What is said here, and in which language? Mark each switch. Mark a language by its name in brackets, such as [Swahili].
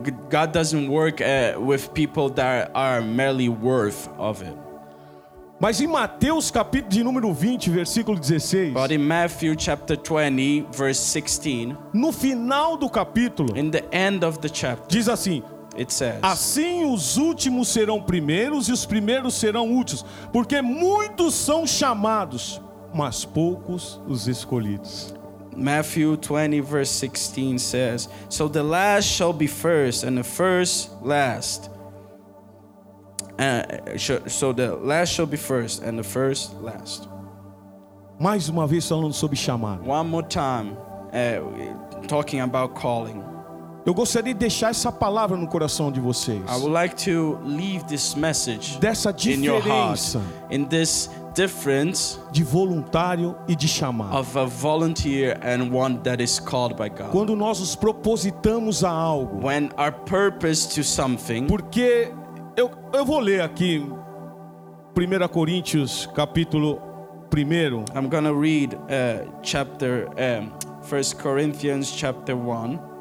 [English] God doesn't work with people that are merely worth of it. [Portuguese] Mas em Mateus capítulo de número 20, versículo 16. [English] But in Matthew chapter 20, verse 16. [Portuguese] No final do capítulo. [English] In the end of the chapter. [Portuguese] Diz assim. [English] It says, [Portuguese] assim os últimos serão primeiros e os primeiros serão últimos, porque muitos são chamados, mas poucos os escolhidos. [English] Matthew 20 verse 16 says, so the last shall be first and the first last. So the last shall be first and the first last. [Portuguese] Mais uma vez falando sobre chamado. [English] One more time, talking about calling. [Portuguese] Eu gostaria de deixar essa palavra no coração de vocês. [English] I would like to leave this message [Portuguese] dessa diferença [English] in your heart, in this difference [Portuguese] de voluntário e de chamado. [English] Of a volunteer and one that is called by God. [Portuguese] Quando nós nos propositamos a algo, [English] when our purpose to something, [Portuguese] porque eu vou ler aqui 1 Coríntios capítulo 1. [English] I'm going to read 1 Corinthians chapter 1.